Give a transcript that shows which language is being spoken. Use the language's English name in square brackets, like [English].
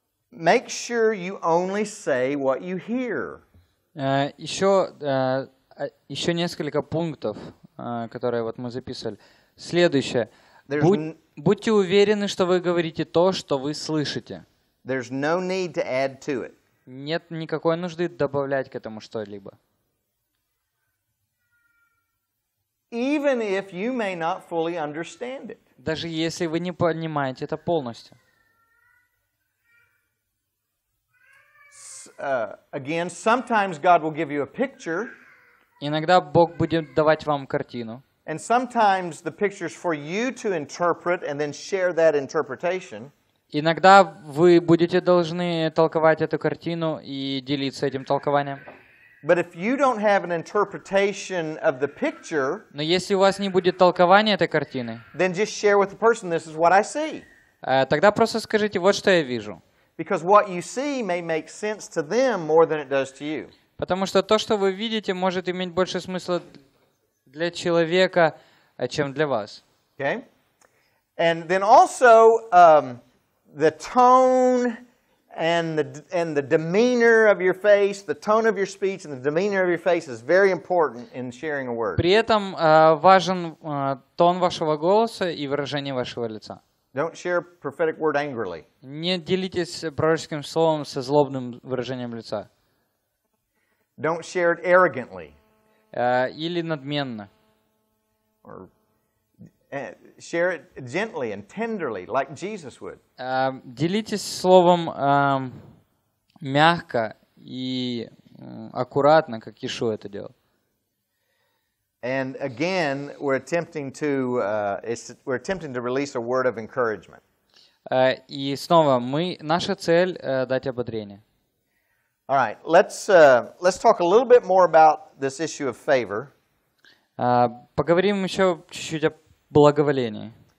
[English] Make sure you only say what you hear. [Russian] Еще несколько пунктов, которые вот мы записывали. Следующее. Будьте уверены, что вы говорите то, что вы слышите. [English] There's no need to add to it. [Russian] Нет никакой нужды добавлять к этому что-либо. [English] Even if you may not fully understand it. [Russian] Даже если вы не понимаете это полностью. [English] Again, sometimes God will give you a picture. [Russian] Иногда Бог будет давать вам картину. [English] And sometimes the picture is for you to interpret and then share that interpretation. [Russian] Иногда вы будете должны толковать эту картину и делиться этим толкованием. [English] But if you don't have an interpretation of the picture, [Russian] но если у вас не будет толкования этой картины, [English] then just share with the person, this is what I see. [Russian] Тогда просто скажите, вот что я вижу. [English] Because what you see may make sense to them more than it does to you. [Russian] Потому что то, что вы видите, может иметь больше смысла для человека, чем для вас. [English] Okay. And then also the tone And the demeanor of your face, the tone of your speech, and the demeanor of your face is very important in sharing a word. [Russian] При этом важен тон вашего голоса и выражение вашего лица. [English] Don't share a prophetic word angrily. [Russian] Не делитесь пророческим словом со злобным выражением лица. [English] Don't share it arrogantly. [Russian] Или надменно. [English] Or share it gently and tenderly, like Jesus would. [Russian] Делитесь словом мягко и аккуратно, как Иешуа это делал. [English] And again, we're attempting to release a word of encouragement. [Russian] И снова мы наша цель дать ободрение. [English] All right, let's talk a little bit more about this issue of favor. [Russian] Поговорим еще чуть-чуть о благоволении.